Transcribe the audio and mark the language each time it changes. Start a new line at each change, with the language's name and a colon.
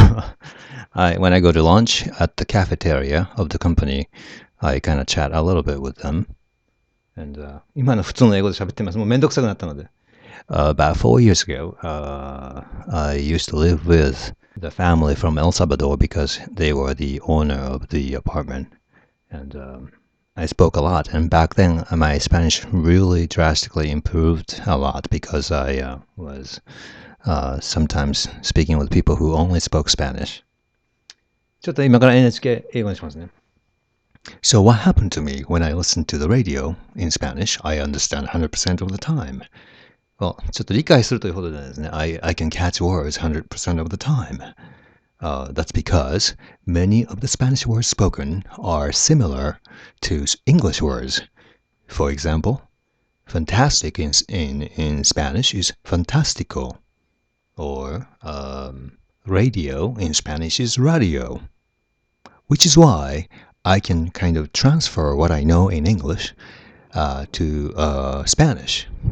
English: So, when I go to lunch at the cafeteria of the company, I kind of chat a little bit with them. And
Japanese: 今の普通の英語で喋ってます。もうめんどくさくなったので。
English: About 4 years ago, I used to live with the family from El Salvador because they were the owner of the apartment. And I spoke a lot, and back then my Spanish really drastically improved a lot because I was sometimes speaking with people who only spoke Spanish.
Japanese: ちょっと今から NHK 英語にしますね。
English: So what happened to me when I listened to the radio in Spanish? I understand 100% of the time. Well,
Japanese: ちょっと理解するというほどじゃないですね。
English: I can catch words 100% of the time. That's because many of the Spanish words spoken are similar to English words. For example, fantastic in Spanish is fantástico, or radio in Spanish is radio, which is why I can kind of transfer what I know in English to Spanish.